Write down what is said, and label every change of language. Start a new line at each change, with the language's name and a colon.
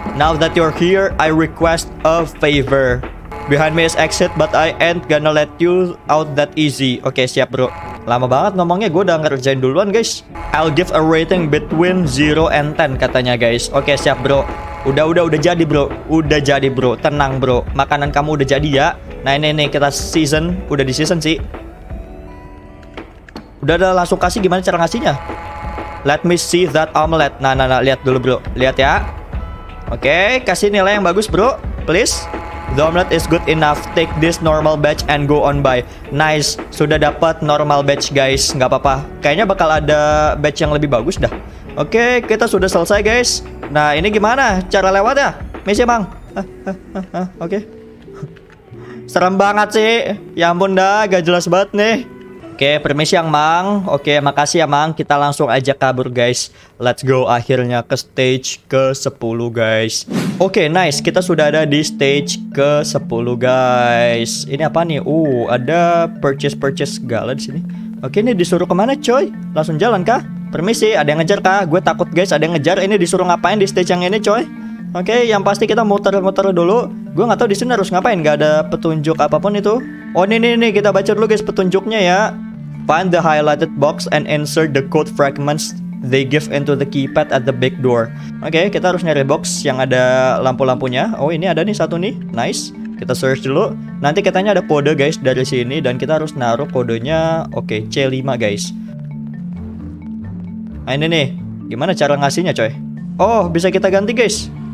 English: Now that you're here, I request a favor. Behind me is exit, but I ain't gonna let you out that easy. Okay,
Indonesian: siap, bro. Lama banget ngomongnya, gue udah ngerjain duluan, guys.
English: I'll give a rating between 0 and 10,
Indonesian: katanya, guys. Okay, siap, bro. Udah jadi, bro. Udah jadi, bro. Tenang, bro. Makanan kamu udah jadi, ya. Nah, ini kita season. Udah di season sih. Udah langsung kasih, gimana cara ngasihnya?
English: Let me see that omelette.
Indonesian: Nah, lihat dulu, bro. Lihat ya. Oke, kasih nilai yang bagus, bro.
English: Please. The omelette is good enough. Take this normal batch and go on by.
Indonesian: Nice. Sudah dapat normal batch, guys. Nggak apa-apa. Kayaknya bakal ada batch yang lebih bagus dah. Oke, kita sudah selesai, guys. Nah, ini gimana cara lewat ya? Misi, Bang. Oke. Okay. Serem banget sih. Ya ampun dah, gak jelas banget nih. Oke, permisi yang Mang. Oke, makasih ya Mang. Kita langsung aja kabur, guys.
English: Let's go,
Indonesian: akhirnya ke stage ke-10, guys. Oke, nice. Kita sudah ada di stage ke-10, guys. Ini apa nih? Ada purchase-purchase segala di sini. Oke, ini disuruh kemana, coy? Langsung jalan kah? Permisi, ada yang ngejar kah? Gue takut, guys, ada yang ngejar. Ini disuruh ngapain di stage yang ini, coy? Oke, yang pasti kita muter-muter dulu. Gue nggak tahu di sini harus ngapain, nggak ada petunjuk apapun itu. Oh, ini kita baca dulu, guys, petunjuknya ya.
English: Find the highlighted box and insert the code fragments they give into the keypad at the back door.
Indonesian: Oke, kita harus nyari box yang ada lampu-lampunya. Oh, ini ada nih satu nih, nice. Kita search dulu. Nanti katanya ada kode, guys, dari sini, dan kita harus naruh kodenya. Oke, C5, guys. Nah, ini nih, gimana cara ngasihnya, coy? Oh, bisa kita ganti, guys.